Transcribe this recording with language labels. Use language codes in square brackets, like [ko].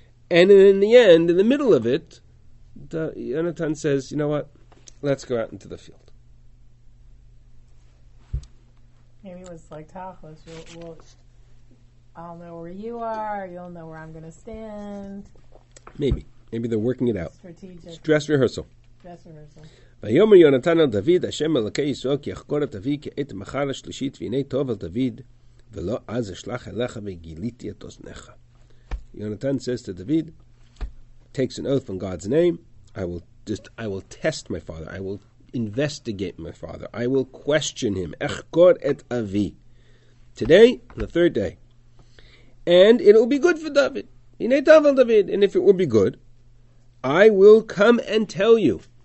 [en] And in the end, in the middle of it, Yonatan says, you know what? Let's go out into the field. Maybe it was like Tachos. I'll know where you are. You'll know where I'm going to stand. Maybe. Maybe they're working it out. Strategic. Dress rehearsal. [he] ויאמר יונתן אל דוד, השם אלוקי ישראל, כי אחקור את אבי כעת מחר השלישית, והנה טוב אל דוד, ולא אז אשלח אליך וגיליתי את אוזניך. [en] יונתן says to David, takes an oath on God's name, I will test my father, I will investigate my father, I will question him, [he] אחקור את אבי, [en] today, the third day, and it will be good for David, [he] הנה טוב אל דוד, [en] and if it will be good, I will come and tell you.